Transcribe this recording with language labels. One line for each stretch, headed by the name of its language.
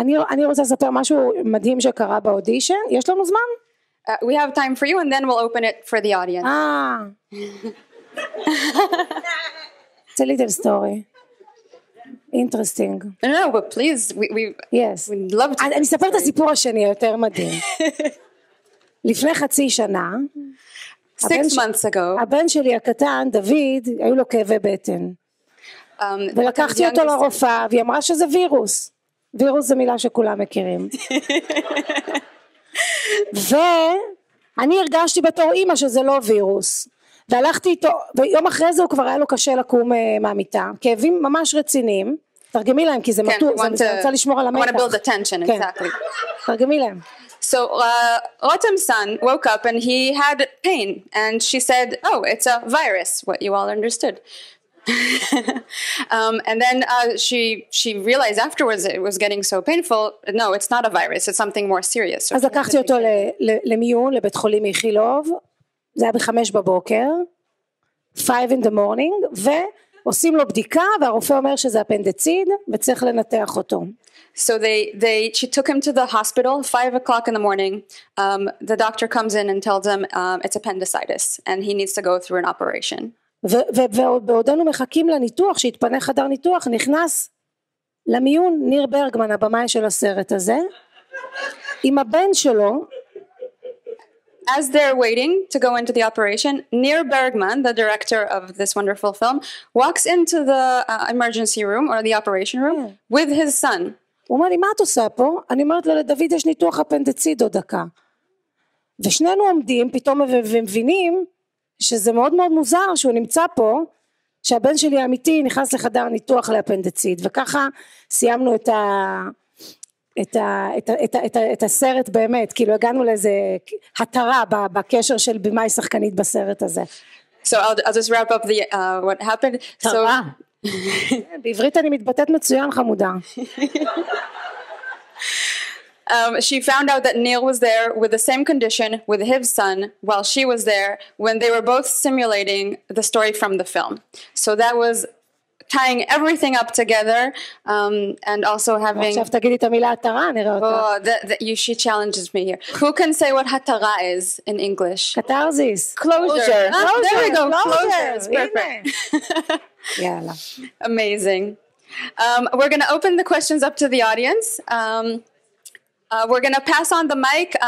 Hebrew: אני רוצה לספר משהו מדהים שקרה באודישן. יש לנו זמן?
English: We have time for you and then we'll open it for the audience. It's a little story. Interesting. No, but please, yes. We'd love to.
Hebrew: אני אספר את הסיפור השני, יותר מדהים. לפני חצי שנה,
English: 6 months ago,
Hebrew: הבן שלי הקטן, דוד, היו לו כאבי בטן. ולקחתי אותו לרופאה, והיא אמרה שזה וירוס. וירוס זה מילה שכולם מכירים. ואני הרגשתי בתור אימא שזה לא וירוס. והלכתי איתו, ויום אחרי זה הוא כבר היה לו קשה לקום מהמיטה. כאבים ממש רציניים. תרגמי להם, כי זה מתוק, זה רוצה לשמור על המתח.
English: I want to build attention, exactly.
Hebrew: תרגמי להם.
English: So, Rotem's son woke up and he had pain. And she said, oh, it's a virus, what you all understood. and then she realized afterwards it was getting so painful. No, it's not a virus, it's something more serious.
Hebrew: אז לקחתי אותו למיון, לבית חולים איכילוב. זה היה ב-5 בבוקר,
English: 5 in the morning,
Hebrew: ועושים לו בדיקה, והרופא אומר שזה אפנדציד, וצריך לנתח אותו.
English: So she took him to the hospital, 5 o'clock in the morning, the doctor comes in and tells him it's appendicitis, and he needs to go through an operation.
Hebrew: ובעודנו מחכים לניתוח, שהתפנה חדר ניתוח, נכנס למיון ניר ברגמן, הבמאי של הסרט הזה, עם הבן שלו.
English: As they're waiting to go into the operation, Neer Bergman, the director of this wonderful film, walks into the emergency room or the operation room with his son.
Hebrew: הוא אומר לי, מה את עושה פה? אני אומרת לו, לדוד יש ניתוח אפנדציד עוד דקה. ושנינו עומדים פתאום ומבינים שזה מאוד מאוד מוזר שהוא נמצא פה, שהבן שלי האמיתי נכנס לחדר ניתוח לאפנדציד. וככה סיימנו את ה... את ה, את ה, את ה, את ה, את הסרט באמת, כאילו הגענו לאיזה התרה בקשר של במאי שחקנית בסרט הזה.
English: So I'll just wrap up the what happened.
Hebrew: תרה. בעברית אני מתבטאת מצוין, חמודה.
English: She found out that Neil was there with the same condition with his son while she was there when they were both simulating the story from the film. So that was tying everything up together and also having
Hebrew: עכשיו תגידי את המילה התרה נראה אותה
English: she challenges me here who can say what התרה is in English catharsis closure. Closure. There we go closure
Hebrew: יאללה
English: amazing we're going to open the questions up to the audience we're going to pass on the mic.